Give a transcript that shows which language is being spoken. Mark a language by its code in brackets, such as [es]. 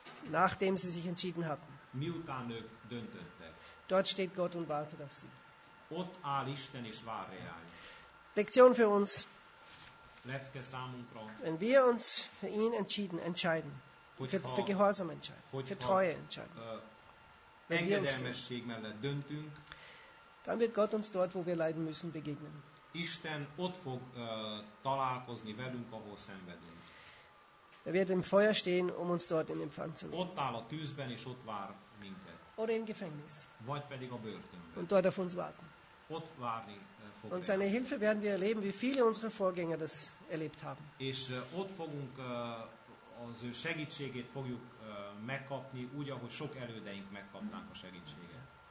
[de] Nachdem sie sich entschieden hatten. [hu] Miután ők döntöttek. [de] Dort steht Gott und wartet auf sie. [hu] Ott áll Isten és vár rájuk. [de] Lektion für uns. [hu] Lecke számunkra. [de] Wenn wir uns für ihn entscheiden, für Gehorsam entscheiden, für Treue entscheiden, [hu] engedelmesség mellett döntünk, [de] dann wird Gott uns dort, wo wir leiden müssen, begegnen. [hu] Isten ott fog találkozni velünk, ahol szenvedünk. [de] Er wird im Feuer stehen, um uns dort in Empfang zu nehmen. [hu] Ott áll a tűzben, és ott vár minket. [de] Oder im Gefängnis. [hu] Vagy pedig a börtönben. [de] Und dort auf uns warten. [hu] Ott várni fog. [de] Und seine Hilfe werden wir erleben, wie viele unsere Vorgänger das erlebt haben. [hu] És ott fogunk az ő segítségét fogjuk megkapni, úgy, ahogy sok elődeink megkapták a segítséget.